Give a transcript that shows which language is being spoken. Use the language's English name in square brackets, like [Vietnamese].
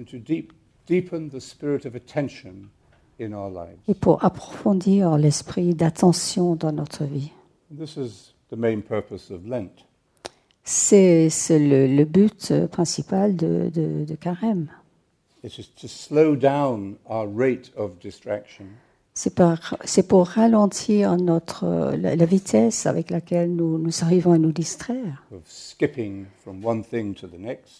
[English] and to deepen the spirit of attention in our lives, [French] et pour approfondir l'esprit d'attention dans notre vie. [English] This is the main purpose of Lent. [French] C'est le but principal de Carême. [English] It is to slow down our rate of distraction. [French] C'est pour ralentir la vitesse avec laquelle nous arrivons à nous distraire. [English] Of skipping from one thing to the next.